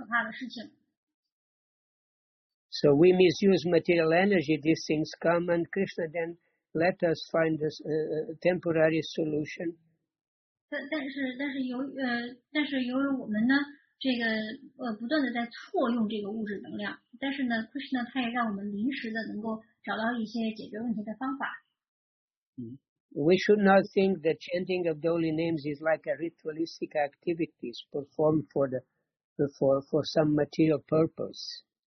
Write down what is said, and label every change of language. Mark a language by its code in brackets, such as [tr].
[zh] 但是呢，如果我们要是不断的去运用这个物质能量，不断的去创造可怕的事情。So [en] we misuse material energy. These things come, and Krishna then let us find this temporary solution. [zh] 但是由于我们呢，不断的在错用这个物质能量，但是呢 ，Krishna 他也让我们临时的能够找到一些解决问题的方法。 [en] We should not think that chanting of the holy names is like a ritualistic activity performed for some material purpose.